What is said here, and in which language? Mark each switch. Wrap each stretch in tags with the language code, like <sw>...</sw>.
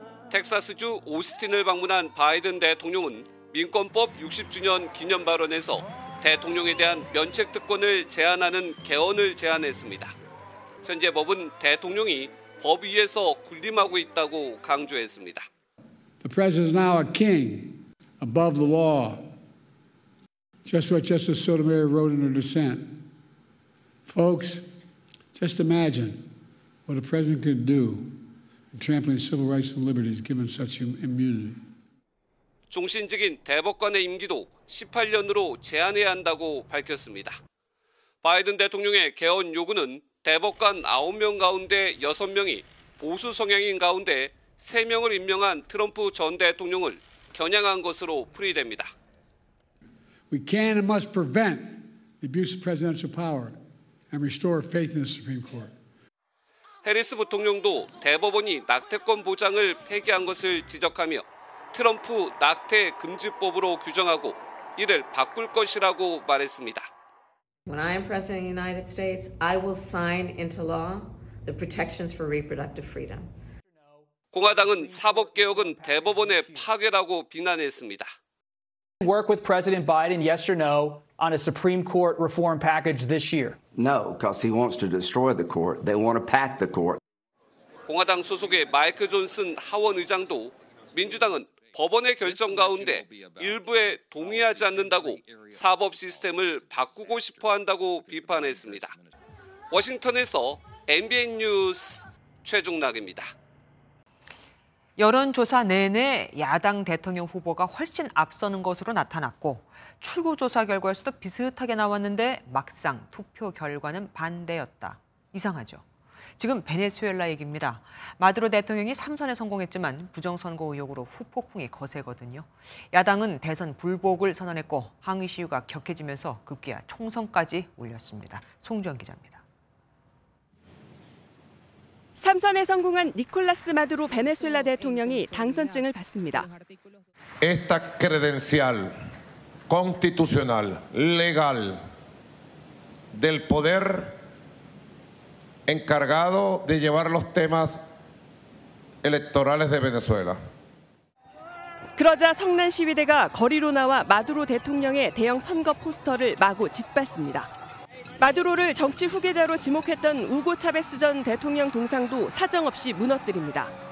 <ko>텍사스주 오스틴을 방문한 바이든 대통령은 민권법 60주년 기념 발언에서 대통령에 대한 면책 특권을 제한하는 개헌을 제안했습니다. 현재 법은 대통령이 법 위에서 군림하고 있다고 강조했습니다.</ko> <en>The president is now a king above the law. Just what Justice Sotomayor wrote in her dissent. Folks, just imagine what a president could do. Trampling civil rights and liberties given such immunity.</en> <ko>종신직인 대법관의 임기도 18년으로 제한해야 한다고 밝혔습니다. 바이든 대통령의 개헌 요구는 대법관 9명 가운데 6명이 보수 성향인 가운데 3명을 임명한 트럼프 전 대통령을 겨냥한 것으로 풀이됩니다.</ko> <en>We can and must prevent the abuse of presidential power and restore faith in the Supreme Court.</en> <ko>해리스 부통령도 대법원이 낙태권 보장을 폐기한 것을 지적하며 트럼프 낙태 금지법으로 규정하고 이를 바꿀 것이라고 말했습니다.</ko> <en>When I am president of the United States, I will sign into law the protections for reproductive freedom.</en> <ko>공화당은 사법 개혁은 대법원의 파괴라고 비난했습니다.</ko> <en>Work with President Biden yes or no on a Supreme Court reform package this year. No, because he wants to destroy the court. They want to pack the court.</en> <ko>공화당 소속의 마이크 존슨 하원 의장도 민주당은 법원의 결정 가운데 일부에 동의하지 않는다고 사법 시스템을 바꾸고 싶어 한다고 비판했습니다. 워싱턴에서 MBN 뉴스 최중락입니다. 여론조사 내내 야당 대통령 후보가 훨씬 앞서는 것으로 나타났고 출구조사 결과에서도 비슷하게 나왔는데 막상 투표 결과는 반대였다. 이상하죠. 지금 베네수엘라 얘기입니다. 마두로 대통령이 3선에 성공했지만 부정선거 의혹으로 후폭풍이 거세거든요. 야당은 대선 불복을 선언했고 항의 시위가 격해지면서 급기야 총선까지 올렸습니다. 송주현 기자입니다. 3선에 성공한 니콜라스 마두로 베네수엘라 대통령이 당선증을 받습니다.</ko> <es>Esta credencial constitucional legal del poder encargado de llevar los temas electorales de Venezuela.</es> <ko>그러자 성난 시위대가 거리로 나와 마두로 대통령의 대형 선거 포스터를 마구 짓밟습니다. 마두로를 정치 후계자로 지목했던 우고 차베스 전 대통령 동상도 사정없이 무너뜨립니다.</ko>